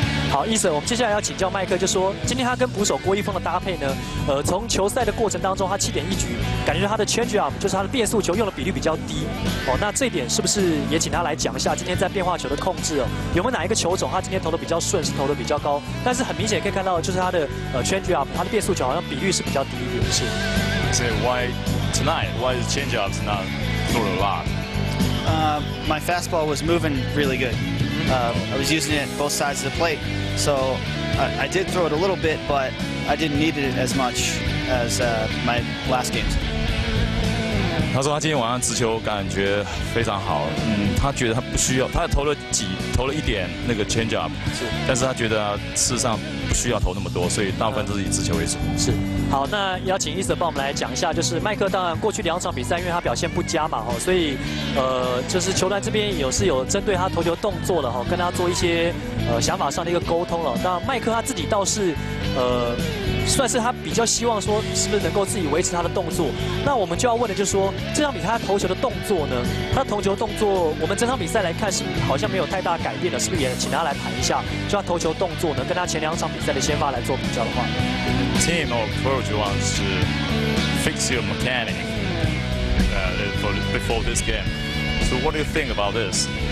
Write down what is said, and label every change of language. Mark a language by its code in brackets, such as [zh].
[zh] 好，伊森，我们接下来要请教麦克，就说今天他跟捕手郭一峰的搭配呢，从球赛的过程当中，他7.1局，感觉他的 change up 就是他的变速球用的比率比较低，哦，那这一点是不是也请他来讲一下，今天在变化球的控制哦，有没有哪一个球种他今天投的比较顺，是投的比较高？但是很明显可以看到，就是他的change up， 他的变速球好像比率是比较低一点，是。 [en] So why tonight? Why the change up is not throw a lot? My fastball was moving really good. I was using it both sides of the plate. So I did throw it a little bit, but I didn't need it as much as my last games. [zh] 他说他今天晚上直球感觉非常好。他觉得他不需要，他投了一点那个 change up， 但是他觉得事实上不需要投那么多，所以大部分都是以直球为主。是，好，那邀请伊森帮我们来讲一下，就是麦克，当然过去两场比赛因为他表现不佳嘛，所以就是球团这边有针对他投球动作了，跟他做一些想法上的一个沟通了。那麦克他自己倒是算是他比较希望说是不是能够自己维持他的动作。那我们就要问的就是说，这场比赛他投球的动作呢，他投球动作我们整场比赛来看是好像没有太大改变的，是不是也请他来谈一下，就他投球动作呢跟他前两场比赛的先发来做比较的话。 [en] Team approach wants to fix your mechanic before this game. So what do you think about this?